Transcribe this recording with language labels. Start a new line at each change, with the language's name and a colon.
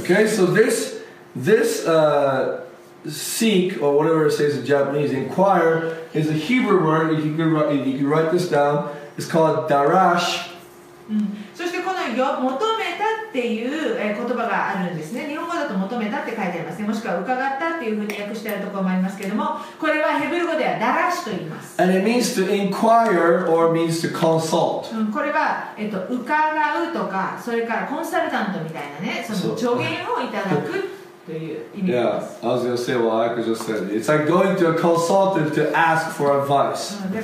English: Okay, so this seek, or whatever it says in Japanese, inquire, is a Hebrew word, if you can write this down, it's called darash.
Japanese: そしてこの求めたっていう言葉があるんですね。日本語だと求めたって書いてありますね。もしくは伺ったっていうふうに訳してあるところもありますけれども、これはヘブル語ではダラシと言います。
English: And it means to inquire or means to consult、
Japanese: これは伺うとか、それからコンサルタントみたいなね、その助言をいただく
English: Yeah, I was going to say what Ayaka just said. It's like going to a consultant to ask for advice.